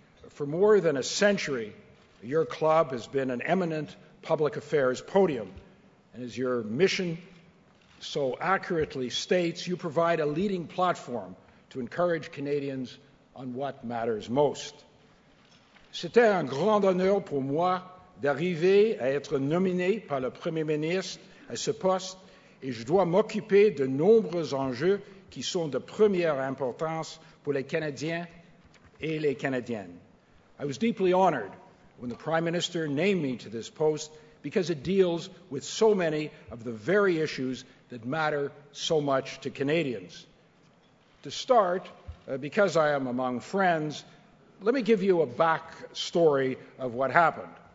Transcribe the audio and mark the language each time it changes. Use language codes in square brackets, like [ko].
[en] For more than a century, your club has been an eminent public affairs podium. And as your mission so accurately states, you provide a leading platform to encourage Canadians on what matters most. [fr] C'était un grand honneur pour moi d'arriver à être nominé par le Premier ministre à ce poste et je dois m'occuper de nombreux enjeux qui sont de première importance pour les Canadiens et les Canadiennes. [en] I was deeply honored when the Prime Minister named me to this post because it deals with so many of the very issues that matter so much to Canadians. To start, because I am among friends, let me give you a back story of what happened.